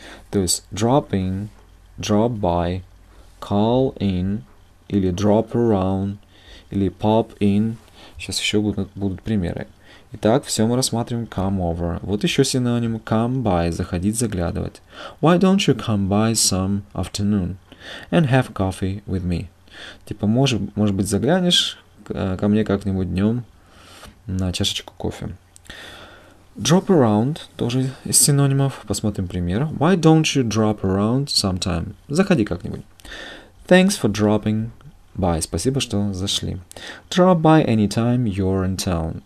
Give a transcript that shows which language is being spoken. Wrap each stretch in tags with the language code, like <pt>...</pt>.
<ru>То есть drop in, drop by, call in, или drop around, или pop in. Сейчас еще будут примеры. Итак, все мы рассматриваем come over. Вот еще синоним come by, заходить, заглядывать.</ru> <en>Why don't you come by some afternoon and have coffee with me?</en> <ru>Типа, может быть, заглянешь ко мне как-нибудь днем на чашечку кофе. Drop around, тоже из синонимов. Посмотрим пример.</ru> <en>Why don't you drop around sometime?</en> <ru>Заходи как-нибудь.</ru> <en>Thanks for dropping by.</en> <ru>Спасибо, что зашли.</ru> <en>Drop by anytime you're in town.</en>